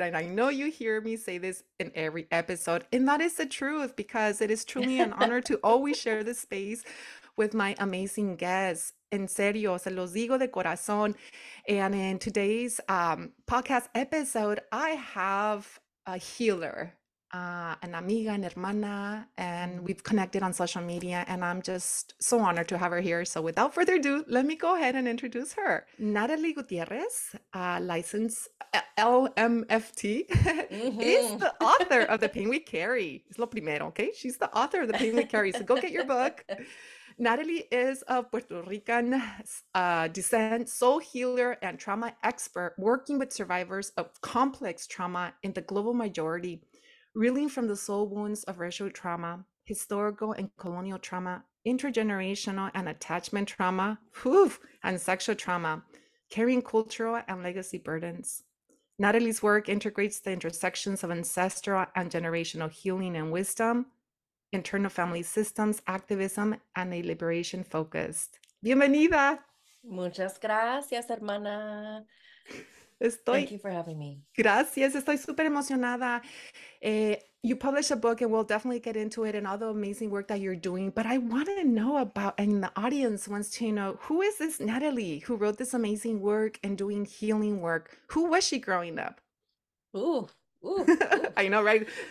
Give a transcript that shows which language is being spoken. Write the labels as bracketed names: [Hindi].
[English] And I know you hear me say this in every episode. And that is the truth, because it is truly an honor to always share this space with my amazing guests. [Spanish] En serio, se los digo de corazón. [English] And in today's podcast episode, I have a healer. An amiga, an hermana, and we've connected on social media, and I'm just so honored to have her here. So without further ado, let me go ahead and introduce her. Natalie Gutierrez, licensed LMFT, is the author of The Pain We Carry. [Spanish] Es lo primero, [English] okay? She's the author of The Pain We Carry, so go get your book. Natalie is of Puerto Rican descent, soul healer and trauma expert working with survivors of complex trauma in the global majority, reeling from the soul wounds of racial trauma, historical and colonial trauma, intergenerational and attachment trauma, and sexual trauma, carrying cultural and legacy burdens. Natalie's work integrates the intersections of ancestral and generational healing and wisdom, internal family systems, activism, and a liberation focused. [Spanish] Bienvenida. Muchas gracias, hermana. Estoy, [English] thank you for having me. [Spanish] Gracias. Estoy super emocionada. [English] You published a book, and we'll definitely get into it and all the amazing work that you're doing. But I want to know about, and the audience wants to know, who is this Natalie who wrote this amazing work and doing healing work? Who was she growing up? Ooh. I know, right?